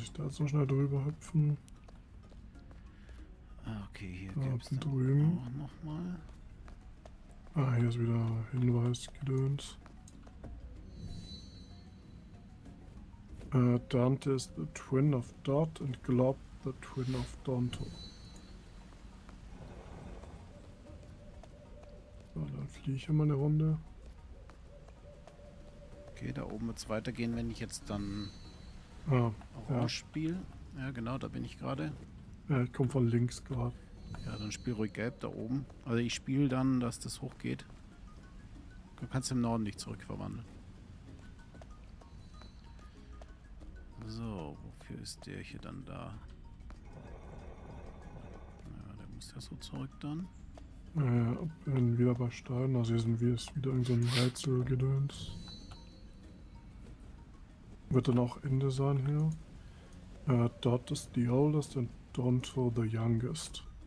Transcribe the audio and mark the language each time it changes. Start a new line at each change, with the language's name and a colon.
German: So schnell drüber hüpfen. Okay, hier gibt es noch mal. Ah, hier ist wieder Hinweisgedöns.
English: Dante is the twin of Dot and Glob the twin of Donto.
German: So, dann fliege ich hier mal eine Runde. Okay, da oben wird es weitergehen, wenn ich jetzt dann orange spiele. Ja, genau, da bin ich gerade. Ja, ich komme von links gerade. Ja, dann spiel ruhig gelb da oben. Also ich spiele dann, dass das hochgeht. Du kannst im Norden nicht zurückverwandeln. So, wofür ist der hier dann da? Ja, der muss ja so zurück dann. Ja, bin wieder bei Stein. Also hier sind wir jetzt wieder in so einem Rätselgedöns. Wird dann auch Ende sein hier.
English: Dot is the oldest and Donto the youngest.